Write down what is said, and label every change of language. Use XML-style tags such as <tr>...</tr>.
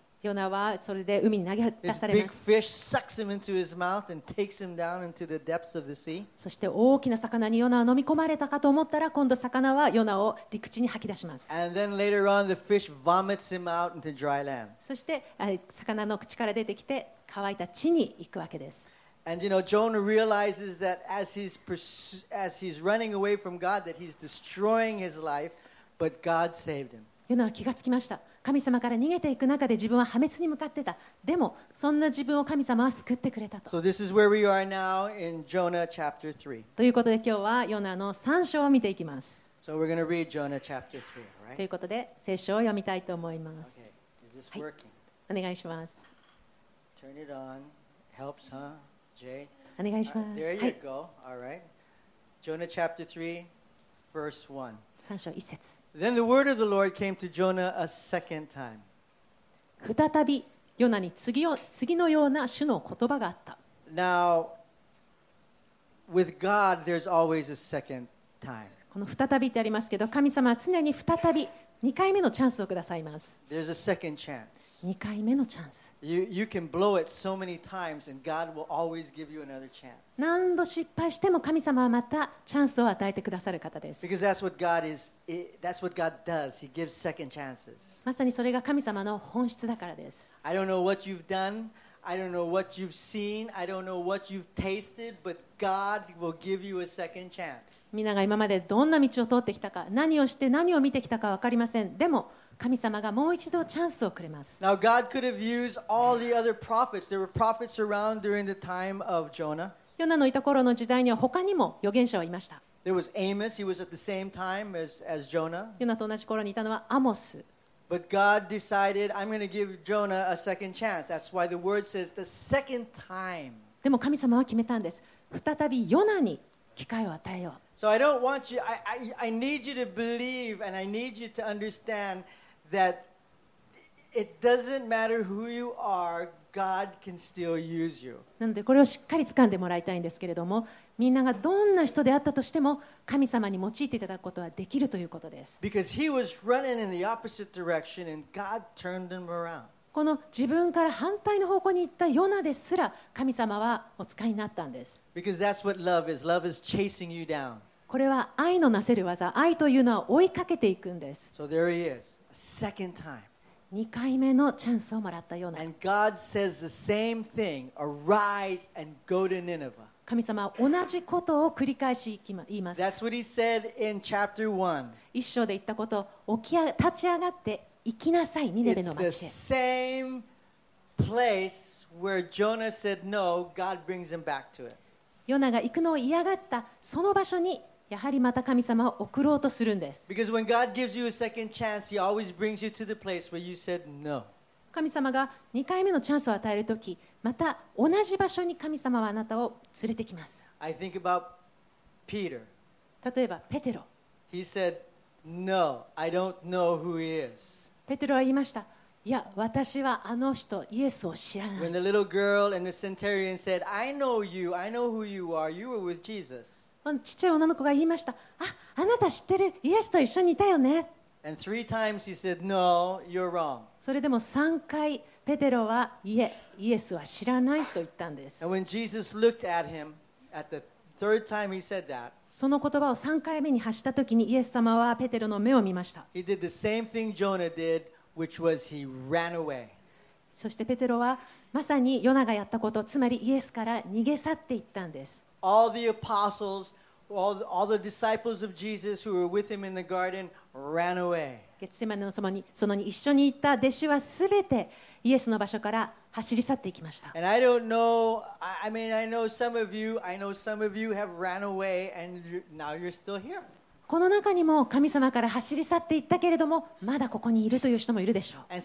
<ja>ヨナはそれで海に投げ出されます。</ja> <en>This big fish sucks him into his mouth and takes him down into the depths of the sea.</en> <ja>そして大きな魚にヨナは飲み込まれたかと思ったら、今度魚はヨナを陸地に吐き出します。</ja> <en>And then later on the fish vomits him out into dry land.</en> <ja>そして魚の口から出てきて乾いた地に行くわけです。</ja> <en>And you know, Jonah realizes that as he's running away from God, that he's destroying his life. But God saved him.</en> <ja>ヨナは気がつきました。神様から逃げていく中で自分は破滅に向かってた。でもそんな自分を神様は救ってくれたと。</ja> <en>So this is where we are now in Jonah chapter 3.</en> <ja>ということで今日はヨナの3章を見ていきます。</ja> <en>So we're going to read Jonah chapter 3, right?</en> <ja>ということで聖書を読みたいと思います。</ja> <en>Okay. Is this working?</en> <ja>お願いします。</ja> <en>Turn it on. Helps, huh, Jay?</en> <ja>お願いします。</ja> <en>There you go. All right. Jonah chapter 3, verse 1. Then the word of the Lord came to Jonah a second time.</en> <ja>再びヨナに次のような主の言葉があった。</ja> <en>Now, with God, there's always a second time.</en> <ja>この再びってありますけど、神様は常に再び2回目のチャンスをくださいます。</ja> <en>There's a second chance.</en> <ja>2回目のチャンス。</ja> <en>You can blow it so many times and God will always give you another chance.</en> <ja>何度失敗しても神様はまたチャンスを与えてくださる方です。</ja> <en>Because that's what God is, that's what God does. He gives second chances.</en> <ja>まさにそれが神様の本質だからです。</ja> <en>I don't know what you've done. I don't know what you've seen. I don't know what you've tasted, but God will give you a second chance.</en> <ja>みんなが今までどんな道を通ってきたか、何をして何を見てきたか分かりません。でも神様がもう一度チャンスをくれます。</ja> <en>Now God could have used all the other prophets. There were prophets around during the time of Jonah.</en> <ja>ヨナのいた頃の時代には他にも預言者はいました。</ja> <en>There was Amos. He was at the same time as Jonah.</en> <ja>ヨナと同じ頃にいたのはアモス。</ja> <en>But God decided, I'm going to give Jonah a second chance. That's why the word says the second time.</en> <ja>でも神様は決めたんです。再びヨナに機会を与えよう。</ja> <en>So I don't want you, I need you to believe and I need you to understand that it doesn't matter who you are, God can still use you.</en> <ja>なのでこれをしっかり掴んでもらいたいんですけれども、みんながどんな人であったとしても神様に用いていただくことはできるということです。</ja> <en>Because he was running in the opposite direction and God turned him around.</en> <ja>この自分から反対の方向に行ったヨナですら神様はお使いになったんです。</ja> <en>Because that's what love is. Love is chasing you down.</en> <ja>これは愛のなせる技。愛というのは追いかけていくんです。</ja> <en>So there he is. A second time.</en> <ja>2回目のチャンスをもらったヨナ。</ja> <en>And God says the same thing. Arise and go to Nineveh.</en> <ja>神様は同じことを繰り返し言います。</ja> <en>That's what he said in chapter 1.</en> <ja>一章で言ったこと、立ち上がって行きなさい、ニネベの町へ。</ja> <en>It's the same place where Jonah said no, God brings him back to it.</en> <ja>ヨナが行くのを嫌がったその場所にやはりまた神様は送ろうとするんです。</ja> <en>Because when God gives you a second chance, He always brings you to the place where you said no.</en> <ja>神様が2回目のチャンスを与えるとき、また同じ場所に神様はあなたを連れてきます。</ja> <en>I think about Peter.</en> <ja>例えばペテロ。</ja> <en>He said, No, I don't know who he is.</en> <ja>ペテロは言いました。いや、私はあの人イエスを知らない。</ja> <en>When the little girl and the centurion said, I know you, I know who you are, you were with Jesus.</en> <ja>ちっちゃい女の子が言いました。あ、あなた知ってる、イエスと一緒にいたよね。</ja> <en>And three times he said, No, you're wrong.</en> <ja>それでも3回ペテロは、いえ、イエスは知らないと言ったんです。</ja> <en>And when Jesus looked at him, at the third time he said that,</en> <ja>その言葉を3回目に発したときに、イエス様はペテロの目を見ました。</ja> <en>He did the same thing Jonah did. Which was he ran away.</en> <ja>そしてペテロはまさにヨナがやったこと、つまりイエスから逃げ去っていったんです。</ja> <en>All the apostles, all the disciples of Jesus who were with him in the garden ran away.</en> <ja>ゲッセマネの園に一緒に行った弟子はすべてイエスの場所から走り去っていきました。</ja> <en>And I don't know, I know some of you have ran away and now you're still here.</en> <ja>この中にも神様から走り去っていったけれどもまだここにいるという人もいるでしょう。</ja>